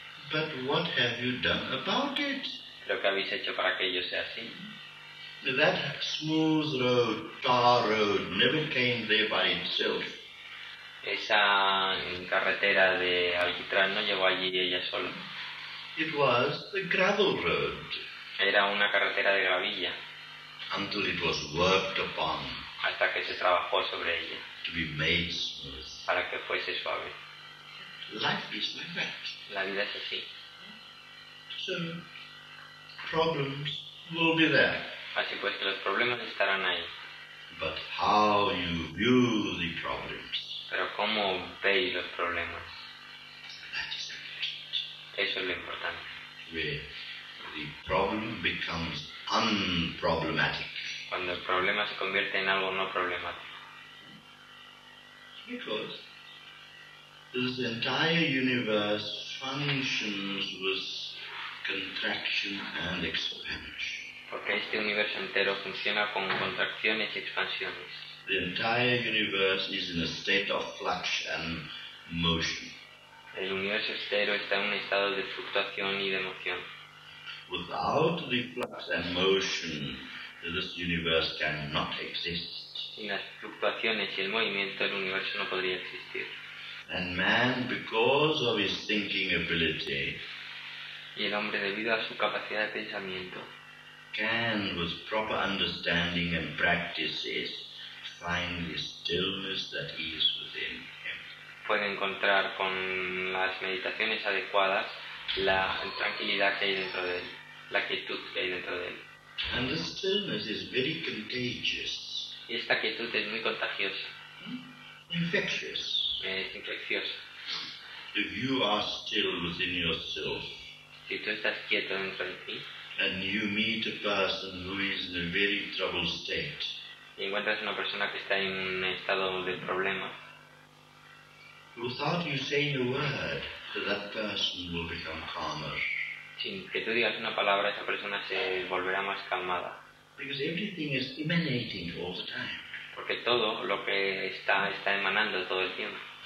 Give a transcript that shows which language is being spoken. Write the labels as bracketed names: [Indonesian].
[English] But what have you done about it? [Spanish] ¿Pero qué habéis hecho para que ello sea así? [English] That smooth road, tar road, never came there by itself. [Spanish] Esa carretera de alquitrán no llegó allí ella sola. [English] It was the gravel road. [Spanish] Era una carretera de gravilla. [English] Until it was worked upon. [Spanish] Hasta que se trabajó sobre ella. [English] To be made smooth. [Spanish] Para que fuese suave. [English] Life is like that. [Spanish] La vida es así. [English] So, problems will be there. [Spanish] Así pues que los problemas estarán ahí. [English] But how you view the problems. [Spanish] Pero cómo veis los problemas. [English] That is important. [Spanish] Eso es lo importante. [English] Where the problem becomes unproblematic. [Spanish] Cuando el problema se convierte en algo no problemático. [English] Because this entire universe functions with contraction and expansion. [Spanish] Porque este universo entero funciona con contracciones y expansiones. [English] The entire universe is in a state of flux and motion. [Spanish] El universo entero está en un estado de fluctuación y de emoción. [English] Without the flux and motion, this universe cannot exist. [Spanish] Sin las fluctuaciones y el movimiento, el universo no podría existir. [English] And man, because of his thinking ability, [Spanish] y el hombre, debido a su capacidad de pensamiento, [English] can, with proper understanding and practices, find the stillness that is within him. [Spanish] Puede encontrar con las meditaciones adecuadas la tranquilidad que hay dentro de él, la quietud que hay dentro de él. [English] And the stillness is very contagious. [Spanish] Y esta quietud es muy contagiosa. [English] Infectious. [Spanish] Es infecciosa. [English] If you are still within yourself, [Spanish] si tú estás quieto dentro de ti, [English] and you meet a person who is in a very troubled state, [Spanish] y encuentras una persona que está en un estado de problema, [English] without you saying a word, that person will become calmer. [Spanish] Sin que tú digas una palabra, esa persona se volverá más calmada. [English] Because everything is emanating all the time. [Spanish] Porque todo lo que está emanando todo el tiempo.